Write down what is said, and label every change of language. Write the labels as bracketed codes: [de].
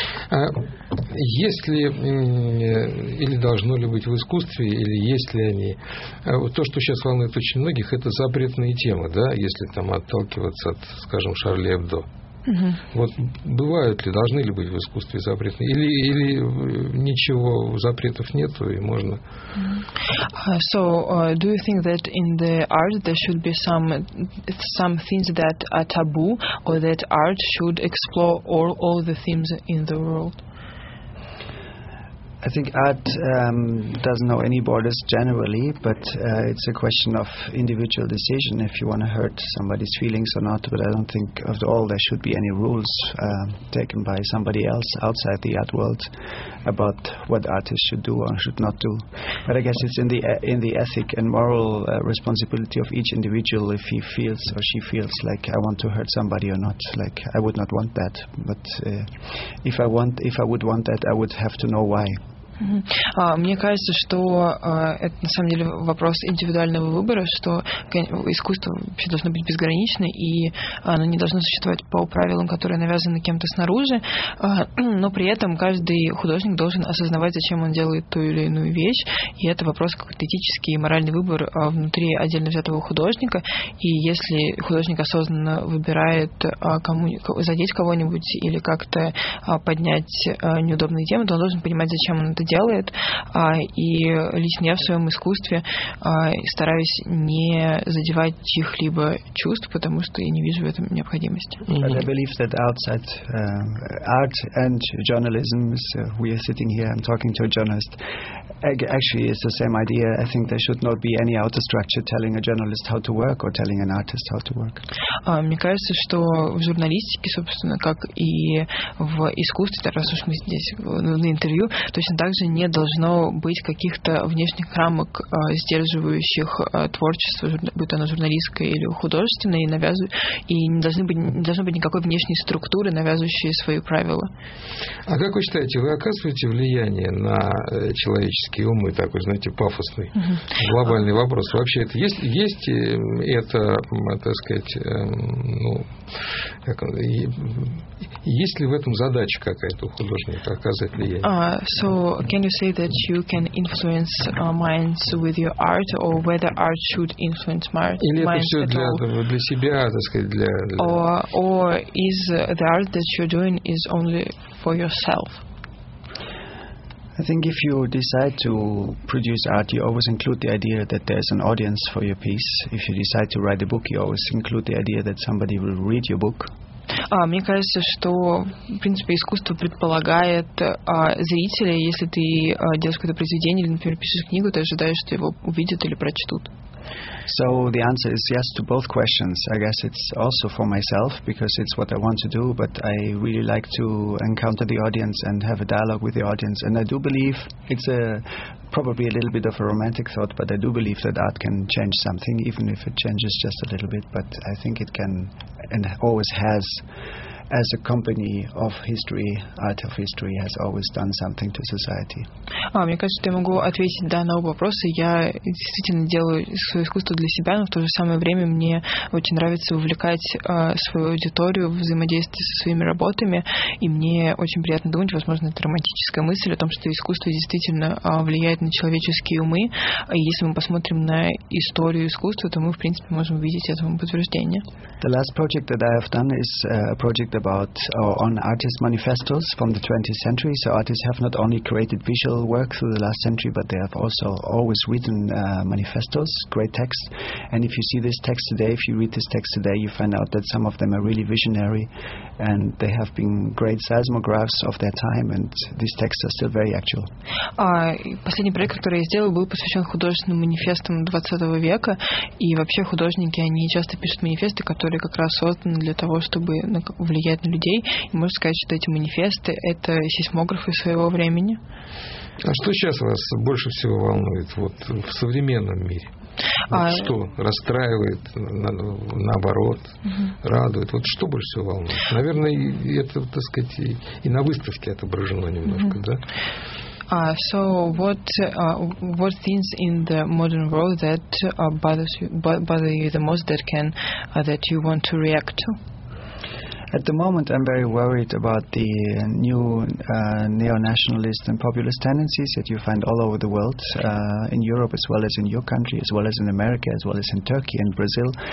[ru] А есть ли или должно ли быть в искусстве, или есть ли они? То, что сейчас волнует очень многих, это запретные темы, да, если там отталкиваться от, скажем, Шарли Эбдо. Угу. Вот бывают ли, должны ли быть в искусстве запретные? Или ничего, запретов нету, и можно. [en] So, do you think that in the art there should be some things that are taboo, or that art should explore all the themes in the world? I think art doesn't know any borders generally, but it's a question of individual decision if you want to hurt somebody's feelings or not. But I don't think at all there should be any rules taken by somebody else outside the art world about what artists should do or should not do. But I guess it's in the ethic and moral responsibility of each individual if he feels or she feels like I want to hurt somebody or not. Like I would not want that, but if I would want that, I would have to know why. [ru] Мне кажется, что это на самом деле вопрос индивидуального выбора, что искусство вообще должно быть безгранично, и оно не должно существовать по правилам, которые навязаны кем-то снаружи, но при этом каждый художник должен осознавать, зачем он делает ту или иную вещь, и это вопрос какой-то этический и моральный выбор внутри отдельно взятого художника, и если художник осознанно выбирает задеть кого-нибудь или как-то поднять неудобные темы, то он должен понимать, зачем он это делает, и лично я в своем искусстве стараюсь не задевать чьих-либо чувств, потому что я не вижу в этом необходимости. [en] But I believe that outside art and journalism, so we are sitting here and talking to a journalist, actually it's the same idea. I think there should not be any outer structure telling a journalist how to work or telling an artist how to work. [ru] Мне кажется, что в журналистике, собственно, как и в искусстве, раз уж мы здесь на интервью, точно также не должно быть каких-то внешних рамок, сдерживающих творчество, будь оно журналистское или художественное, и не должно быть никакой внешней структуры, навязывающей свои правила. А как вы считаете, вы оказываете влияние на человеческие умы, такой, знаете, пафосный, глобальный вопрос? Вообще, это есть это, так сказать, ну, как, есть ли в этом задача какая-то у художника оказывать влияние? [en] Can you say that you can influence minds with your art, or whether art should influence minds at all? [ru] Для себя, так сказать, для... [en] Or is the art that you're doing is only for yourself? I think if you decide to produce art, you always include the idea that there's an audience for your piece. If you decide to write a book, you always include the idea that somebody will read your book. [ru] Мне кажется, что, в принципе, искусство предполагает зрителя. Если ты делаешь какое-то произведение или, например, пишешь книгу, ты ожидаешь, что его увидят или прочтут. [en] So the answer is yes to both questions. I guess it's also for myself because it's what I want to do, but I really like to encounter the audience and have a dialogue with the audience. And I do believe it's probably a little bit of a romantic thought, but I do believe that art can change something, even if it changes just a little bit. But I think it can and always has. As a company of history, art of history has always done something to society. [ru] Мне кажется, я могу ответить да на оба вопроса. Я действительно делаю свое искусство для себя, но в то же самое время мне очень нравится увлекать свою аудиторию в взаимодействии со своими работами, и мне очень приятно думать, возможно, это романтическая мысль о том, что искусство действительно влияет на человеческие умы, и если мы посмотрим на историю искусства, то мы, в принципе, можем увидеть этому подтверждение. [en] The last project that I have done is a project about on artist manifestos from the 20th century. So artists have not only created visual work through the last century, but they have also always written manifestos, great texts. And if you see this text today, if you read this text today, you find out that some of them are really visionary, and they have been great seismographs of their time, and these texts are still very actual. [ru] Последний проект, который я сделал, был посвящен художественным манифестам 20 века, и вообще художники, они часто пишут манифесты, которые как раз созданы для того, чтобы влиять на людей, и можно сказать, что эти манифесты – это сейсмографы своего времени. А что сейчас вас больше всего волнует вот, в современном мире? Вот что расстраивает, наоборот, радует? Вот что больше всего волнует? Наверное, это, так сказать, и на выставке отображено немножко, да? [en] So what things in the modern world that bother you the most that can that you want to react to? At the moment, I'm very worried about the new neo-nationalist and populist tendencies that you find all over the world, in Europe as well as in your country, as well as in America, as well as in Turkey and Brazil.